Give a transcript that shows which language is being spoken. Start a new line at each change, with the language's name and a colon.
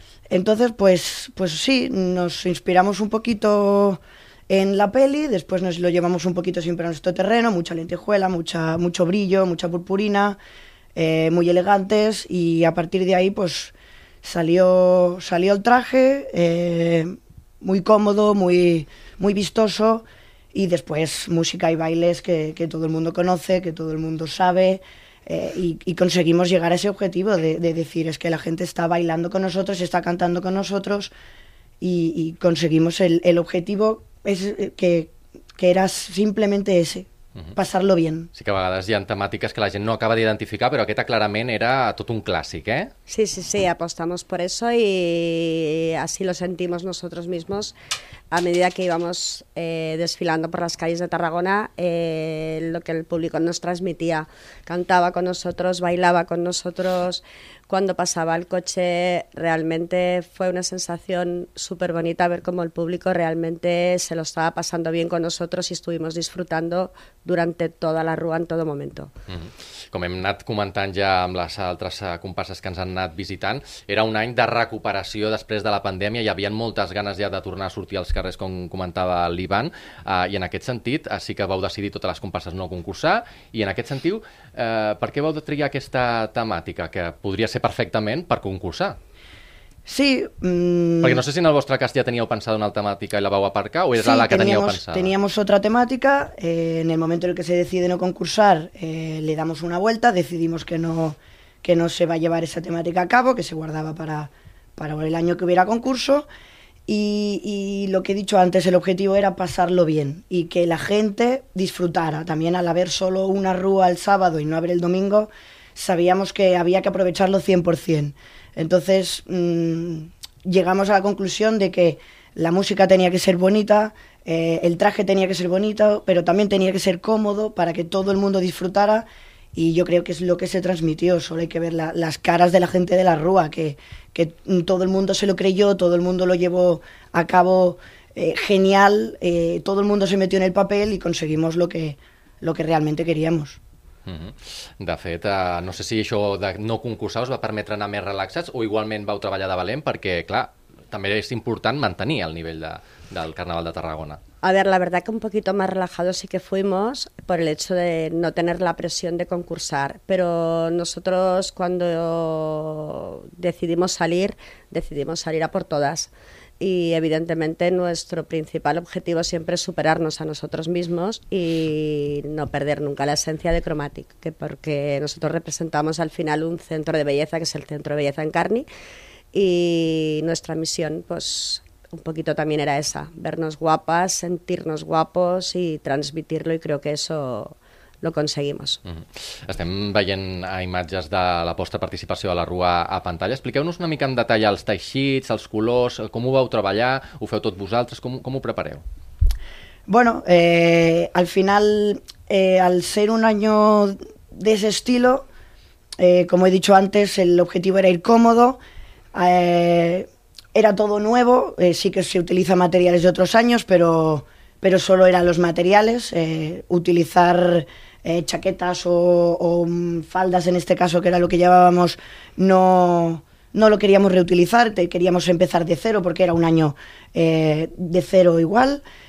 Spanish: Entonces, pues sí, nos inspiramos un poquito en la peli, después nos lo llevamos un poquito siempre a nuestro terreno, mucha lentejuela, mucho brillo, mucha purpurina, muy elegantes y a partir de ahí pues Salió el traje, muy cómodo, muy, muy vistoso, y después música y bailes que todo el mundo conoce, que todo el mundo sabe, y conseguimos llegar a ese objetivo de decir, es que la gente está bailando con nosotros, está cantando con nosotros, y conseguimos el objetivo que era simplemente ese.
Catalan: Passar-lo bé. Sí que a vegades hi ha temàtiques que la gent no acaba d'identificar, però aquesta clarament era tot un clàssic, eh?
Spanish: Sí, sí, sí, apostamos por eso y así lo sentimos nosotros mismos a medida que íbamos desfilando por las calles de Tarragona, lo que el público nos transmitía. Cantaba con nosotros, bailaba con nosotros, cuando pasaba el coche realmente fue una sensación súper bonita ver cómo el público realmente se lo estaba pasando bien con nosotros y estuvimos disfrutando durante toda la rúa en todo momento.
Catalan: Com hem anat comentant ja amb les altres comparses que ens han anat visitant, era un any de recuperació després de la pandèmia, hi havia moltes ganes ja de tornar a sortir als carrers, com comentava l'Ivan, i en aquest sentit sí que vau decidir totes les comparses no concursar, i en aquest sentit, per què vau triar aquesta temàtica, que podria ser perfectament per concursar? Sí. Perquè no sé si en el vostre cas ja teníeu pensat una altra temàtica i la vau aparcar, o era sí, la que teníeu pensada?
Spanish: Teníamos otra temática. En el momento en el que se decide no concursar, le damos una vuelta, decidimos que no se va a llevar esa temática a cabo, que se guardaba para el año que hubiera concurso. Y lo que he dicho antes, el objetivo era pasarlo bien y que la gente disfrutara. También al haber solo una rúa el sábado y no haber el domingo, sabíamos que había que aprovecharlo 100%. Entonces llegamos a la conclusión de que la música tenía que ser bonita, el traje tenía que ser bonito, pero también tenía que ser cómodo para que todo el mundo disfrutara, y yo creo que es lo que se transmitió. Solo hay que ver las caras de la gente de la rúa, que todo el mundo se lo creyó, todo el mundo lo llevó a cabo genial, todo el mundo se metió en el papel y conseguimos lo que realmente queríamos.
Catalan: De fet, no sé si això de no concursar us va permetre anar més relaxats o igualment vau treballar de valent, perquè, clar, també és important mantenir el nivell del Carnaval de Tarragona.
Spanish: A ver, la verdad que un poquito más relajados sí que fuimos por el hecho de no tener la presión de concursar, pero nosotros cuando decidimos salir a por todas. y evidentemente nuestro principal objetivo siempre es superarnos a nosotros mismos y no perder nunca la esencia de Cromatic, que porque nosotros representamos al final un centro de belleza, que es el Centro de Belleza Encarni, y nuestra misión pues un poquito también era esa, vernos guapas, sentirnos guapos y transmitirlo, y creo que eso lo conseguimos. Mm-hmm.
Catalan: Estem veient imatges de la vostra participació a la rua a pantalla. Expliqueu-nos una mica en detall els teixits, els colors, com ho vau treballar, ho feu tot vosaltres, com ho prepareu?
Spanish: Bueno, al final, al ser un año de ese estilo, como he dicho antes, el objetivo era ir cómodo, era todo nuevo, sí que se utiliza materiales de otros años, pero solo eran los materiales, utilizar chaquetas o faldas, en este caso, que era lo que llevábamos, no lo queríamos reutilizar, queríamos empezar de cero, porque era un año de cero igual.